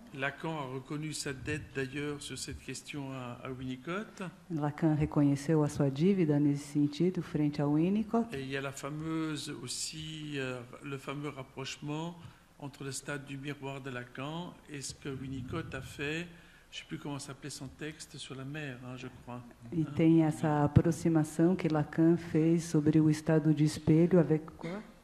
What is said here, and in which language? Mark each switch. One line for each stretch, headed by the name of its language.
French: Lacan a reconnu sa dette d'ailleurs sur cette question à Winnicott.
Portuguese: Lacan reconheceu a sua dívida nesse sentido frente a Winnicott.
French: Et il y a la fameuse aussi le fameux rapprochement entre le stade du miroir de Lacan et ce que Winnicott a fait. Je ne sais plus comment s'appelait son texte sur la mer, hein, je crois.
Portuguese: E tem essa aproximação que Lacan fez sobre o estado de espelho
French: avec quoi?